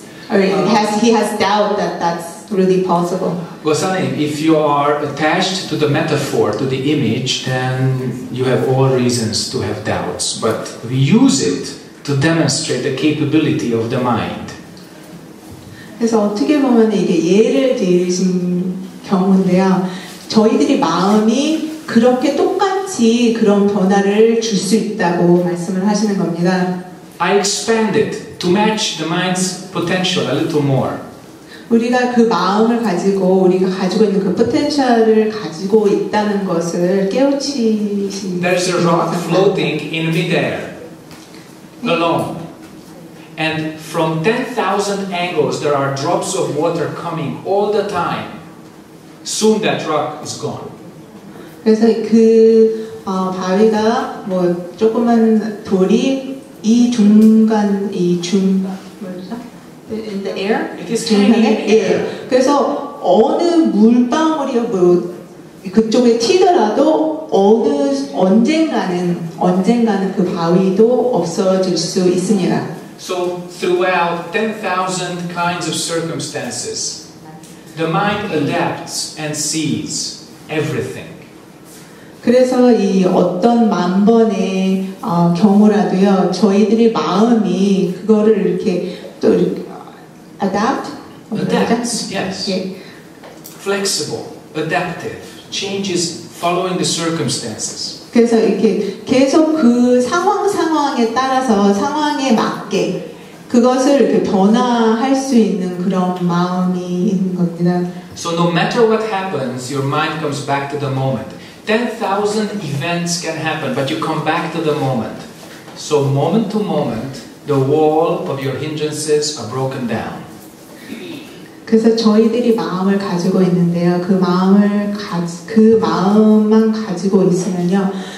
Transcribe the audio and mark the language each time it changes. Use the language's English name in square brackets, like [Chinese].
[English] Or he has doubt that that's really possible. Gosanim, if you are attached to the metaphor, to the image, then you have all reasons to have doubts. But we use it to demonstrate the capability of the mind. [Korean] 그래서 어떻게 보면 이게 예를 들으신 경우인데요. 저희들의 마음이 그렇게 똑같이 그런 변화를 줄 수 있다고 말씀을 하시는 겁니다. [English] I expand it to match the mind's potential a little more. [Korean] 우리가 그 마음을 가지고 우리가 가지고 있는 그 포텐셜을 가지고 있다는 것을 깨우치신. [English] There's a rock floating in midair alone, and from 10,000 angles there are drops of water coming all the time. Soon that rock is gone. [Korean] 그래서 그 바위가 뭐 조그만 돌이 이 중간 이 중 [English] in the air. It is tiny. [Korean] 예. 그래서 어느 물방울이요 뭐 그쪽에 튀더라도 어느 언젠가는 그 바위도 없어질 수 있습니다. [English] So throughout 10,000 kinds of circumstances, the mind adapts and sees everything. [Korean] 그래서 이 어떤 만 번의 경우라도요, 저희들의 마음이 그거를 이렇게 또 이렇게 [English] adapt, yes. Flexible, adaptive, changes following the circumstances. [Korean] 그래서 이렇게 계속 그 상황에 따라서 상황에 맞게 그것을 이렇게 변화할 수 있는 그런 마음이 있는 겁니다. [English] So no matter what happens, your mind comes back to the moment. 10,000 events can happen, but you come back to the moment. So moment to moment, the wall of your hindrances are broken down. [Korean] 그래서 저희들이 마음을 가지고 있는데요. 그 마음만 가지고 있으면요.